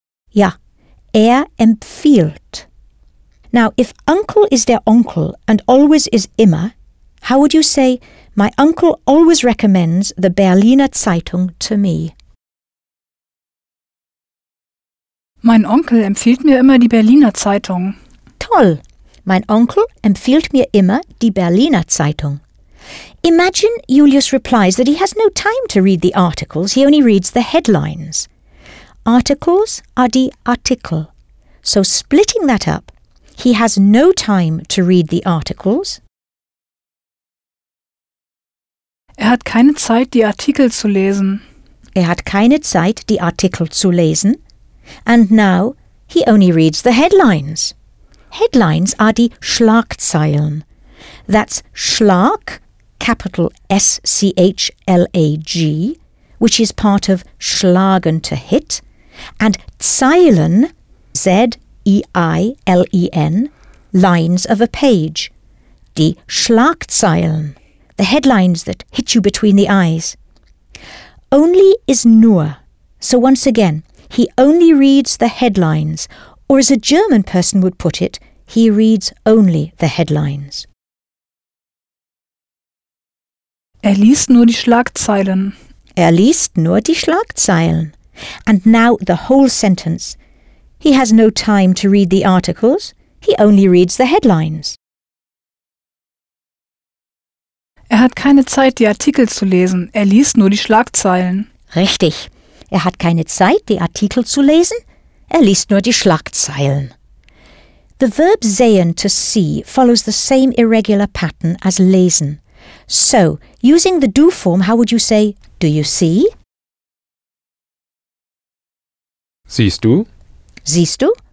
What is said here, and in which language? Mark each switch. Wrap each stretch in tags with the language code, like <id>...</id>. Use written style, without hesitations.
<en>Ja, empfiehlt. Now, if uncle is der Onkel and always is immer, how would you say my uncle always recommends the Berliner Zeitung to me?</en> <de>Mein Onkel empfiehlt mir immer die Berliner Zeitung. Toll! Mein Onkel empfiehlt mir immer die Berliner Zeitung.</de> <en>Imagine Julius replies that he has no time to read the articles, he only reads the headlines. Articles are die Artikel. So splitting that up, he has no time to read the articles.</en> <de>Er hat keine Zeit, die Artikel zu lesen. Er hat keine Zeit, die Artikel zu lesen.</de> <en>And now he only reads the headlines. Headlines are die Schlagzeilen. That's Schlag, capital S-C-H-L-A-G, which is part of Schlagen, to hit, and Zeilen, Z-E-I-L-E-N, lines of a page. Die Schlagzeilen, the headlines that hit you between the eyes. Only is nur. So once again, he only reads the headlines, or as a German person would put it, he reads only the headlines.</en> <de>Er liest nur die Schlagzeilen. Er liest nur die Schlagzeilen.</de> <en>And now the whole sentence. He has no time to read the articles, he only reads the headlines.</en> <de>Er hat keine Zeit, die Artikel zu lesen, er liest nur die Schlagzeilen. Richtig. Er hat keine Zeit, die Artikel zu lesen. Er liest nur die Schlagzeilen.</de> <en>The verb sehen, to see, follows the same irregular pattern as lesen. So, using the do form, how would you say, do you see?</en> <de>Siehst du? Siehst du?</de>